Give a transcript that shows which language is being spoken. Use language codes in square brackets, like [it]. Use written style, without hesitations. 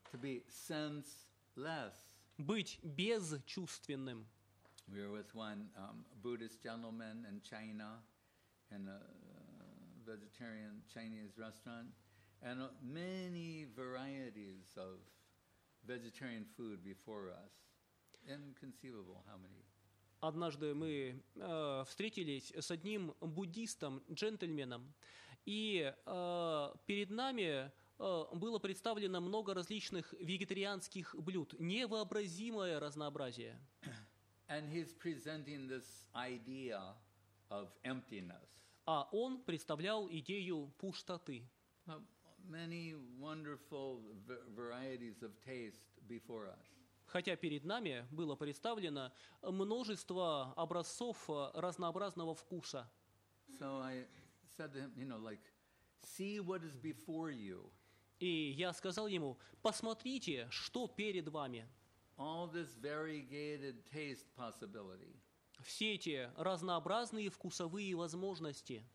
[en] To be senseless. [ru] Быть безчувственным. [en] We were with one Buddhist gentleman in China, in a vegetarian Chinese restaurant, and many varieties of vegetarian food before us. Inconceivable how many. [ru] Однажды мы встретились с одним буддистом, джентльменом, и перед нами было представлено много различных вегетарианских блюд, невообразимое разнообразие. [en] And he's presenting this idea of emptiness. [ru] А он представлял идею пустоты. [en] Many wonderful varieties of taste before us. [ru] Хотя перед нами было представлено множество образцов разнообразного вкуса. [en] So I said to him, you know, like, see what is before you. [ru] И я сказал ему, посмотрите, что перед вами. [en] All this variegated taste possibility. [ru] Все эти разнообразные вкусовые возможности.